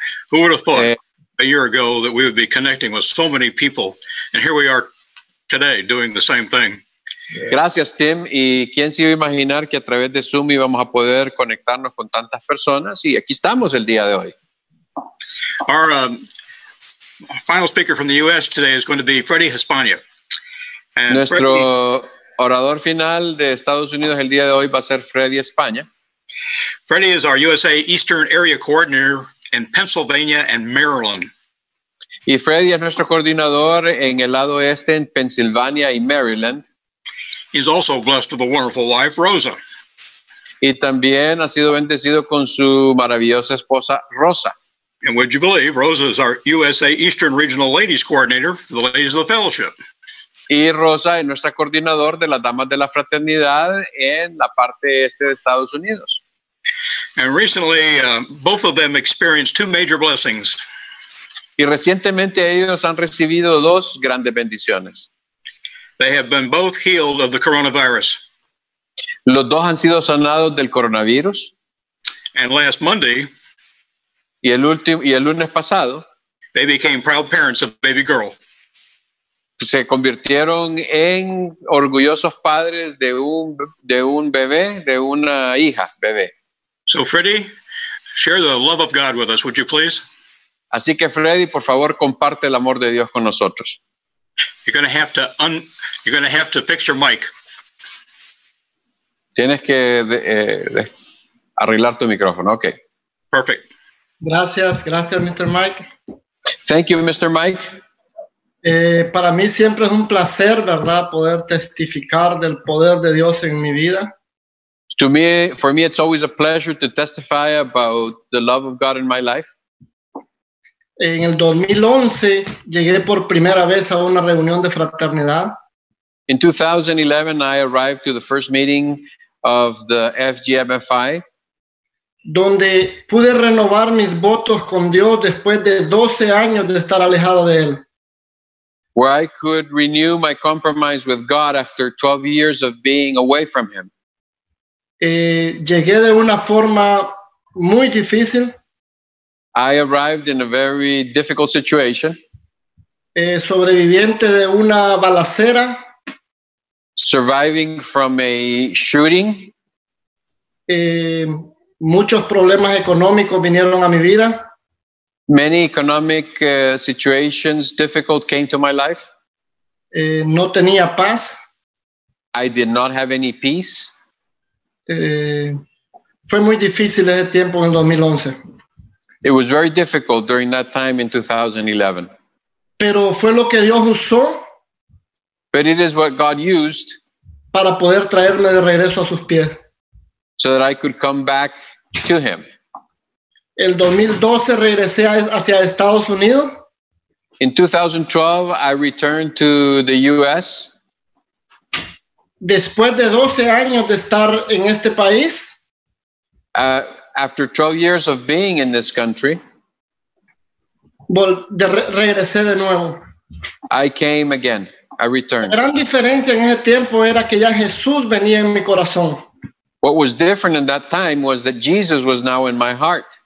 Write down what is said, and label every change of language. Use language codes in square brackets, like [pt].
[en] Who would have thought a year ago that we would be connecting with so many people? And here we are today doing the same thing. [es] Gracias, Tim. ¿Y quién se iba a imaginar que a través de Zoom íbamos a poder conectarnos con tantas personas? Y aquí estamos el día de hoy. [en] Our final speaker from the U.S. today is going to be Freddy Hispania. And [es] nuestro orador final de Estados Unidos el día de hoy va a ser Freddy España. [en] Freddy is our USA Eastern Area Coordinator in Pennsylvania and Maryland. [es] Y Freddy es nuestro coordinador en el lado este en Pensilvania y Maryland. [en] He's also blessed with a wonderful wife, Rosa. [es] Y también ha sido bendecido con su maravillosa esposa, Rosa. [en] And would you believe, Rosa is our USA Eastern Regional Ladies Coordinator for the Ladies of the Fellowship. [es] Y Rosa es nuestra coordinadora de las Damas de la Fraternidad en la parte este de Estados Unidos. [en] And recently, both of them experienced two major blessings. [es] Y recientemente ellos han recibido dos grandes bendiciones. [en] They have been both healed of the coronavirus. [es] Los dos han sido sanados del coronavirus. [en] And last Monday, [es] y el lunes pasado, [en] they became proud parents of baby girl. [es] Se convirtieron en orgullosos padres de un bebé, de una hija, bebé. [en] So Freddy, share the love of God with us, would you please? [es] Así que Freddy, por favor, comparte el amor de Dios con nosotros. [en] You're going to have to fix your mic. [es] Tienes que arreglar tu micrófono, okay. [en] Perfect. [es] Gracias, Mr. Mike. [en] Thank you, Mr. Mike. [es] Para mí siempre es un placer, ¿verdad?, poder testificar del poder de Dios en mi vida. [en] For me it's always a pleasure to testify about the love of God in my life. [es] En el 2011 llegué por primera vez a una reunión de fraternidad. [en] In 2011 I arrived to the first meeting of the FGMFI. [es] Donde pude renovar mis votos con Dios después de 12 años de estar alejado de él. [en] Where I could renew my compromise with God after 12 years of being away from him. [es] Llegué de una forma muy difícil. [en] I arrived in a very difficult situation. [es] Sobreviviente de una balacera. [en] Surviving from a shooting. [es] Muchos problemas económicos vinieron a mi vida. [en] Many economic situations difficult came to my life. [es] No tenía paz. [en] I did not have any peace. [es] Fue muy difícil ese tiempo en 2011. [en] It was very difficult during that time in 2011. [es] Pero fue lo que Dios usó. [en] But it is what God used. [es] Para poder traerme de regreso a sus pies. [en] So that I could come back to him. [es] El 2012 regresé hacia Estados Unidos. [en] In 2012, I returned to the U.S. [es] Después de 12 años de estar en este país. [en] After 12 years of being in this country. [es] Regresé de nuevo. [en] I came again. I returned. [es] La gran diferencia en ese tiempo era que ya Jesús venía en mi corazón. [en] What was different in that time was that Jesus was now in my heart.